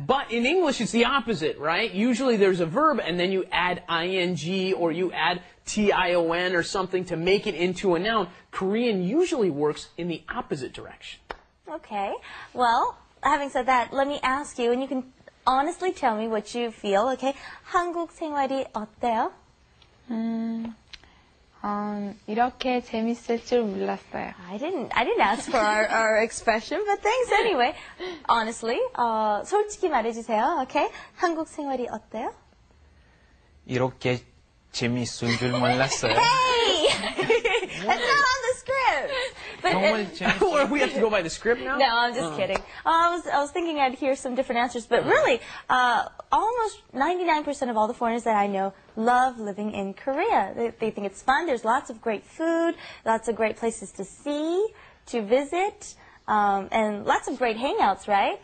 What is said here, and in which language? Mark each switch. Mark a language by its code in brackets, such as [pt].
[en] But in English, it's the opposite, right? Usually there's a verb, and then you add ing, or you add T-I-O-N or something to make it into a noun. Korean usually works in the opposite direction. Okay. Well, having said that, let me ask you, and you can honestly tell me what you feel, okay? [ko] 한국 생활이 어때요? 이렇게 재밌을 줄 몰랐어요. [en] I didn't ask for our expression, but thanks anyway. Honestly, [ko] 솔직히 말해주세요, [en] okay? [ko] 한국 생활이 어때요? 이렇게 재미있을 줄 몰랐어요. [en] Hey! It's not on the script! But or we have to go by the script now? No, I'm just kidding. I was thinking I'd hear some different answers, but really, almost 99% of all the foreigners that I know love living in Korea. They think it's fun. There's lots of great food, lots of great places to see, to visit, and lots of great hangouts, right?